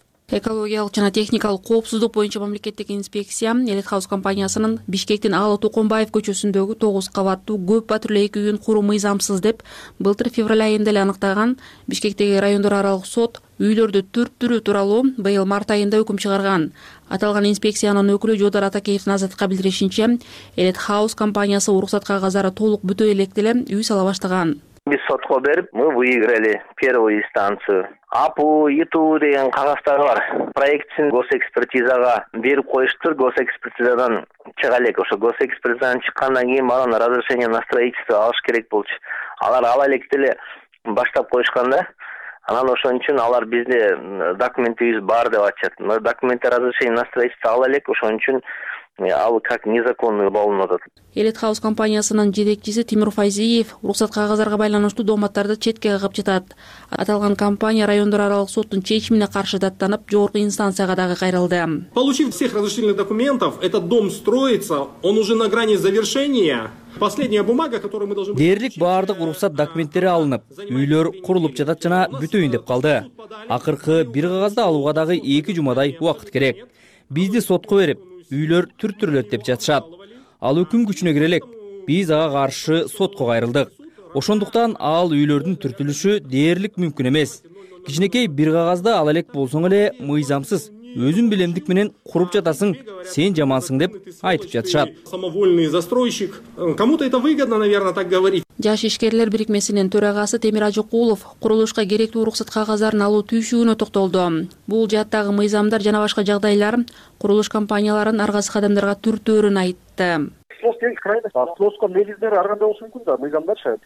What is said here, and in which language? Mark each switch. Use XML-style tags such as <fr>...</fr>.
<ky>Экологиялык жана техникалык коопсуздук боюнча мамлекеттик инспекция Элитхаус компаниясынын Бишкектин Аала Токонбаев көчөсүндөгү 9 кабаттуу көп батирлүү эки үйүн куруу мыйзамсыз деп былтыр февраль айында эле аныктаган Бишкектеги райондор аралык сот үйлөрдү түрттүрүү тууралуу быйыл март айында өкүм чыгарган. Аталган инспекциянын өкүлү Жодор Атакеевдин Азатка билдиришинче, Элитхаус компаниясы уруксат кагаздары толук бүтө электе эле үй сала баштаган. Биз сотко берип,</ky> <ru>мы выиграли первую инстанцию.</ru> <ky>АПУ, ИТУ деген кагаздар бар. Проектсин госэкспертизага берип коюштур, госэкспертизадан чыга элек. Ошо госэкспертизадан чыккандан кийин анан</ky> <ru>разрешение на строительство</ru> <ky>алыш керек болчу. Алар ала электе эле баштап коюшкан да. Анан ошон үчүн алар бизде документибиз бар деп атышат. Но документте</ky> <ru>разрешение на строительство</ru> <ky>ала элек, ошон үчүн ал</ky> <ru>как незаконный</ru> <ky>болуп атат. Элитхаус компаниясынын жетекчиси Тимур Файзиев уруксат кагаздарга байланыштуу дооматтарды четке кагып жатат. Аталган компания райондор аралык соттун чечимине каршы даттанып, жогорку инстанцияга дагы кайрылды.</ky> <ru>Получив всех разрешительных документов, этот дом строится, он уже на грани завершения. Последняя бумага, которую мы должны</ru> <ky>Дээрлик баардык уруксат документтери алынып, үйлөр курулуп жатат жана бүтөйүн деп калды. Акыркы бир кагазды алууга дагы 2 жумадай убакыт керек. Бизди сотко берип, үйлөр түрттүрүлөт деп жатышат. Ал өкүм күчүнө кире элек. Биз ага каршы сотко кайрылдык. Ошондуктан ал үйлөрдүн түрттүрүлүшү дээрлик мүмкүн эмес. Кичинекей бир кагазды ала элек болсоң эле мыйзамсыз. Өзүн билемдик менен куруп жатасың, сен жамансың деп айтып жатышат.</ky> <ru>Самовольный застройщик. Кому-то это выгодно, наверное, так говорить.</ru> <ky>Жаш ишкерлер бирикмесинин төрагасы Темир Ажыкулов курулушка керектүү уруксат кагаздарын алуу түйшүгүнө токтолду. Бул жааттагы мыйзамдар жана башка жагдайлар курулуш компанияларын ар кайсы кадамдарга түртөөрүн айтты. Сноска негиздери ар кандай болушу мүмкүн да, мыйзамдарчы.</ky>